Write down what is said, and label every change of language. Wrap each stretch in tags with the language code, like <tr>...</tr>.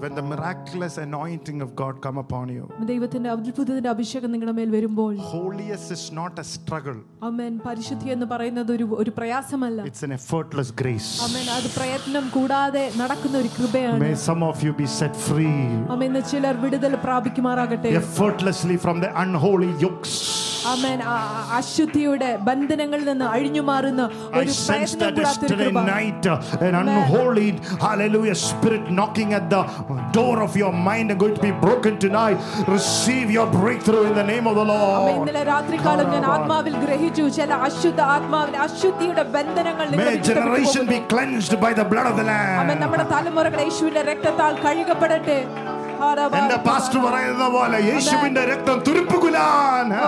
<en>When the miraculous anointing of God come upon you.</en> <ml>ദൈവത്തിന്റെ അത്ഭുതത്തിന്റെ അഭിഷേകം നിങ്ങളുടെ മേൽ വരുമ്പോൾ.</ml> <en>Holiness is not a struggle. Amen.</en> <ml>പരിശുദ്ധി എന്ന് പറയുന്നത് ഒരു പ്രയാസമല്ല.</ml> <en>It's an effortless grace. Amen.</en> <ml>അത് പ്രയത്നം കൂടാതെ നടക്കുന്ന ഒരു കൃപയാണ്.</ml> <en>May some of you be set free.</en> <ml>Amen. ചിലർ വിടുതൽ പ്രാപിക്കുമാറാകട്ടെ.</ml> <en>Effortlessly from the unholy yokes. Amen.</en> <ml>അശുദ്ധിയുടെ ബന്ധനങ്ങളിൽ നിന്ന് അഴിഞ്ഞു മാറുന്ന ഒരു പ്രയത്നം.</ml> <en>Knocking at the door of your mind are going to be broken tonight. Receive your breakthrough in the name of the Lord. Amen.</en> <ml>ഇന്നലെ രാത്രി കാലം ഞാൻ ആത്മാവിൽ ഗ്രഹിച്ചു ചില അശുദ്ധ ആത്മാവിന്റെ അശുദ്ധിയുടെ ബന്ധനങ്ങൾ നിങ്ങളെ വിട്ടു പോകും.</ml> <en>May generation be cleansed by the blood of the Lamb.</en> <ml>അമേൻ. നമ്മുടെ തലമുറകളെ യേശുവിന്റെ രക്തത്താൽ കഴുകപ്പെടട്ടെ. എന്റെ പാസ്റ്റർ പറയുന്ന പോലെ യേശുവിന്റെ രക്തം തുരുപ്പുകുലാൻ.</ml>